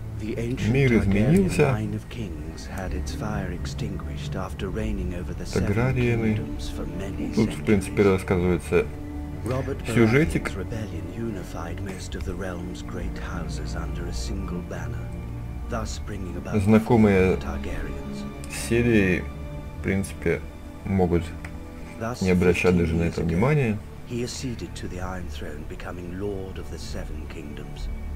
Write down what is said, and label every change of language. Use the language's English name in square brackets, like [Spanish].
[English] The ancient line of kings had its fire extinguished after reigning over the Seven Kingdoms for many centuries. [Russian] Тут, в принципе, рассказывается сюжетик. [English] Rebellion unified most of the realm's great houses under a single banner, thus bringing about the fall of the Targaryens. [Russian] Серии, в принципе, могут не обращать даже на это внимания. [English] He acceded to the Iron Throne, becoming Lord of the Seven Kingdoms.